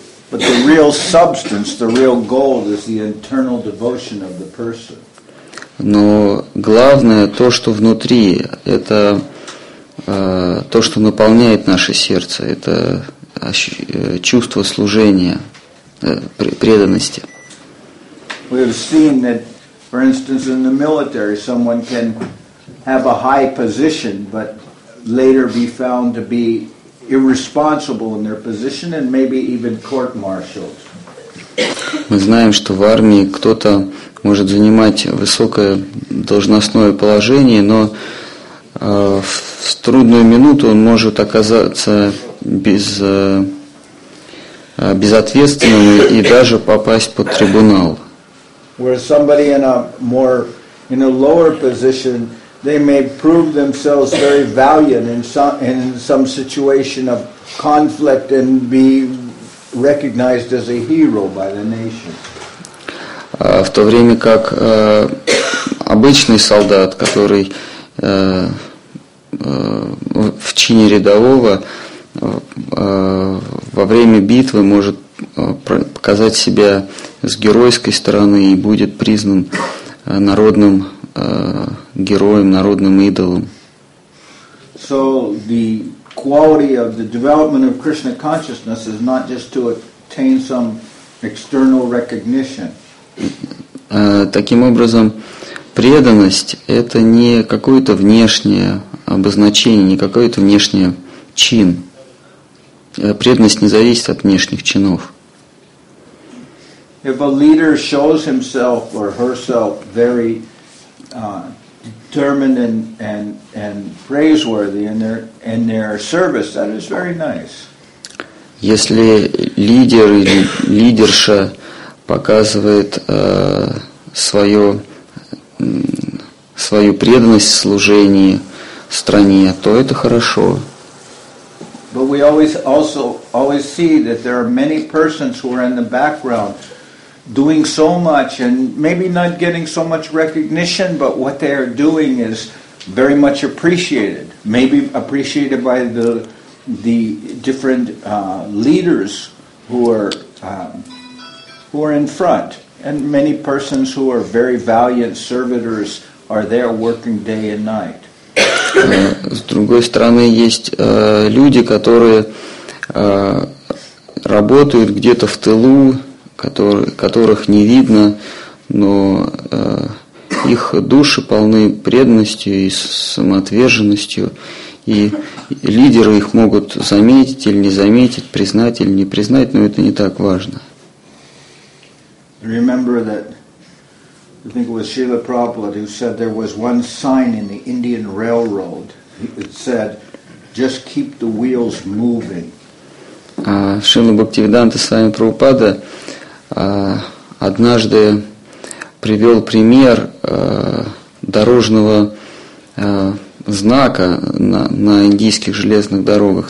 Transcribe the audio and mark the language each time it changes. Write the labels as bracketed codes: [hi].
[en] But the real substance, the real gold is the internal devotion of the person. [ru] Но главное то, что внутри, это то, что наполняет наше сердце, это чувство служения, преданности. [en] We have seen that, for instance, in the military, someone can have a high position, but later be found to be irresponsible in their position and maybe even court-martialed. [ru] Мы знаем, что в армии кто-то может занимать высокое должностное положение, но в трудную минуту он может оказаться безответственным и даже попасть под трибунал. [en] Where somebody in a lower position, they may prove themselves very valiant in some situation of conflict and be recognized as a hero by the nation. [ru] В то время как обычный солдат, который в чине рядового во время битвы может показать себя с геройской стороны и будет признан народным героем, народным идолом. [en] So the quality of the development of Krishna consciousness is not just to attain some external recognition. [ru] Таким образом, преданность – это не какое-то внешнее обозначение, не какой-то внешний чин. Преданность не зависит от внешних чинов. [en] If a leader shows himself or herself very determined and praiseworthy in their service, that is very nice. [ru] Если лидер или лидерша показывает свою преданность в служении стране, то это хорошо. [en] But we always see that there are many persons who are in the background doing so much and maybe not getting so much recognition, but what they are doing is very much appreciated. Maybe appreciated by the different leaders who are in front, and many persons who are very valiant servitors are there working day and night. [ru] С другой стороны, есть люди, которые работают где-то в тылу, которых не видно, но их души полны преданностью и самоотверженностью, и лидеры их могут заметить или не заметить, признать или не признать, но это не так важно. [en] Remember that, I think it was Srila Prabhupada who said there was one sign in the Indian railroad. It said, just keep the wheels moving. [ru] Шрила Бхактивиданта Свами Прабхупада однажды привел пример дорожного знака на индийских железных дорогах.